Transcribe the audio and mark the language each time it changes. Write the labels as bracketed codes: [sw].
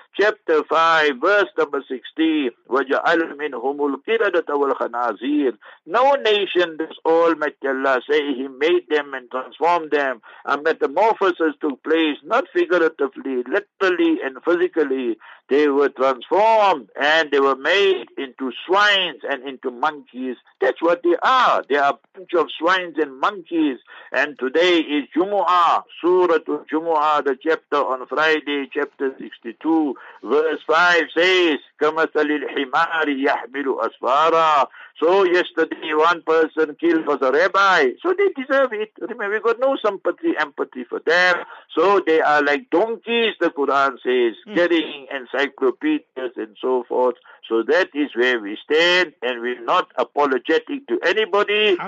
[en] Chapter 5, verse number 16, [ar] وَجَعَلْ مِنْهُمُ الْقِرَدَةَ وَالْخَنَازِيرِ. [en] No nation, this Almighty Allah say, he made them and transformed them. A metamorphosis took place, not figuratively, literally and physically. They were transformed and they were made into swines and into monkeys. That's what they are. They are a bunch of swines and monkeys. And today is Jumu'ah, Suratul Jumu'ah, the chapter on Friday, chapter 62. Verse 5 says, [ar] كَمَثَلِ الْحِمَارِ يَحْمِلُ أَسْفَارًا. [en] So yesterday one person killed was a rabbi. So they deserve it. Remember, we got no sympathy, empathy for them. So they are like donkeys, the Quran says, carrying encyclopedias and so forth. So that is where we stand, and we're not apologetic to anybody.